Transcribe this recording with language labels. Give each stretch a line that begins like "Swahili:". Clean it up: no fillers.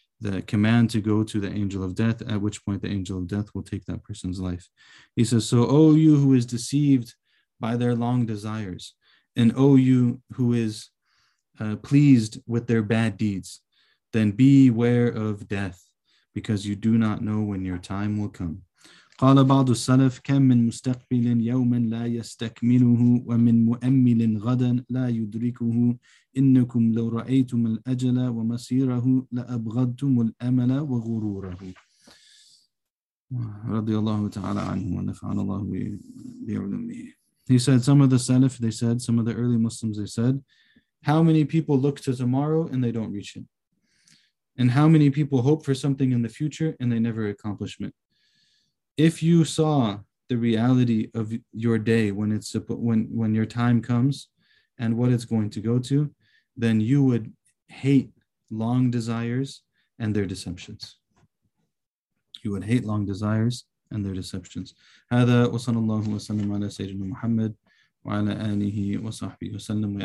English: the command to go to the angel of death, at which point the angel of death will take that person's life. He says, so, O you who is deceived by their long desires, and O you who is pleased with their bad deeds, then beware of death, because you do not know when your time will come.
Arabic: قال بعض السلف كم من مستقبل يوم لا يستكمله ومن مؤمل غدا لا يدركه إنكم لو رأيتم الأجل ومصيره لأبغضتم الأمل وغروره رضي الله تعالى عنه ونفعنا الله بعلمه.
English: He said, some of the salaf, they said, some of the early Muslims, they said, how many people look to tomorrow and they don't reach it? And how many people hope for something in the future and they never accomplish it? If you saw the reality of your day when your time comes and what it's going to go to, then you would hate long desires and their deceptions. You would hate long desires and their deceptions.
Arabic: هذا وصلى الله وسلم على سيدنا محمد وعلى آله وصحبه وسلم.